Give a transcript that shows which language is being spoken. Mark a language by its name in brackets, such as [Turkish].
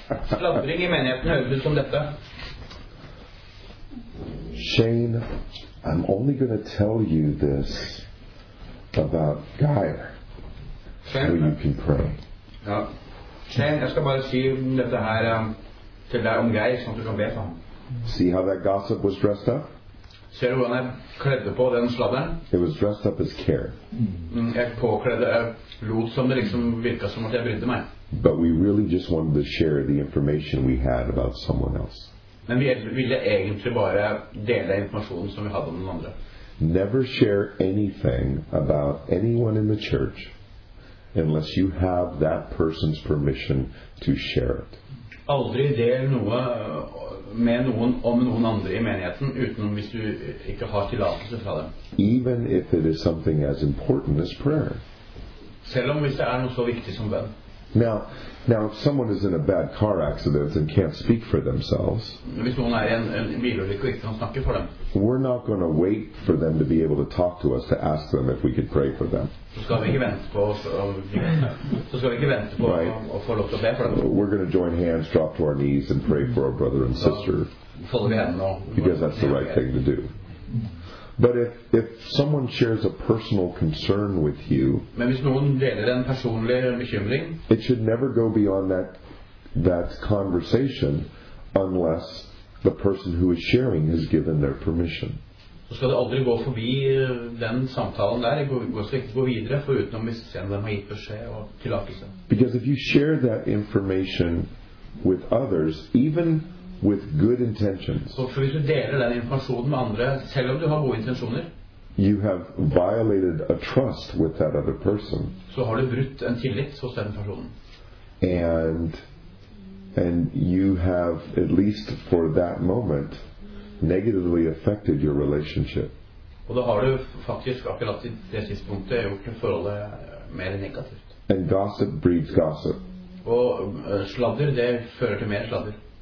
[Norwegian] Sladring I menigheten høres som dette. [English] Shane, I'm only going to tell you this about Geir, so you can pray. [Norwegian] Shane, jeg skal bare si dette her til deg om Geir, sånn at du kan be for ham. [English] See how that gossip was dressed up? [Norwegian] Ser du hvordan jeg kledde på den sladderen? [English] It was dressed up as care. [Norwegian] Jeg påkledde lot som det liksom virka som at jeg brydde meg. [English] But we really just wanted to share the information we had about someone else. [Norwegian] Men vi ville egentlig bare dele informasjonen som vi hadde om den andre. [English] Never share anything about anyone in the church unless you have that person's permission to share it. [Norwegian] aldri del noe med noen om noen andre I menigheten utenom hvis du ikke har tillatelse fra dem. [English] Even if it is something as important as prayer. [Norwegian] Selv om hvis det noe så viktig som bønn. [English] Now, if someone is in a bad car accident and can't speak for themselves, [Norwegian] hvis noen en bilulykke og ikke kan snakke for dem, [English] we're not going to wait for them to be able to talk to us to ask them if we could pray for them. Right. We're going to join hands, drop to our knees, and pray for our brother and sister because that's the right thing to do. But if someone shares a personal concern with you, [Norwegian] men hvis noen deler en personlig bekymring, [English] it should never go beyond that conversation unless the person who is sharing has given their permission. [Norwegian] Så skal det aldri gå forbi den samtalen der, gå videre for utenom hvis en av dem har gitt beskjed og tillatelse. [English] Because if you share that information with others, even with good intentions. [Norwegian] Så hvis du deler den informasjonen med andre, selv om du har gode intensjoner, [English] you have violated a trust with that other person. [Norwegian] Så har du brutt en tillit hos den personen. [English] And you have, at least for that moment, negatively affected your relationship. [Norwegian] Og da har du faktisk akkurat I det siste punktet gjort forholdet mer negativt. [English] And gossip breeds gossip. [Norwegian] Og sladder, det fører til mer sladder.